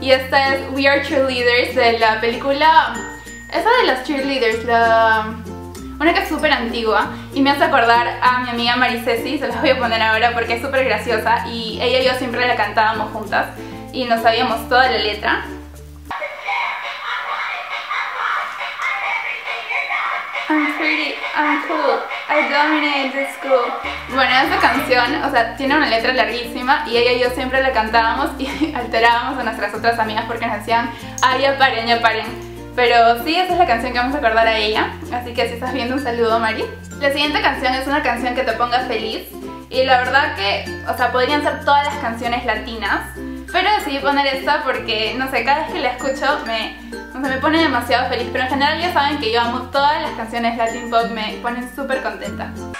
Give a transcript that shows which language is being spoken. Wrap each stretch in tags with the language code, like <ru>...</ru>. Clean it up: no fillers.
<es>Y esta es We Are Cheerleaders de la película... Esa de las cheerleaders, la... Una que es súper antigua y me hace acordar a mi amiga Mariceci. Se las voy a poner ahora porque es súper graciosa y ella y yo siempre la cantábamos juntas y nos sabíamos toda la letra.</es> <en>I'm pretty, I'm cool, I dominate the school.</en> <es>Bueno, esa canción, o sea, tiene una letra larguísima y ella y yo siempre la cantábamos y alterábamos a nuestras otras amigas porque nos decían, ay, ya paren, ya paren. Pero sí, esa es la canción que vamos a acordar a ella, así que si estás viendo, un saludo, Mari. La siguiente canción es una canción que te ponga feliz y la verdad que, o sea, podrían ser todas las canciones latinas, pero decidí poner esta porque, no sé, cada vez que la escucho me pone demasiado feliz, pero en general ya saben que yo amo todas las canciones Latin Pop, me ponen súper contenta.</es>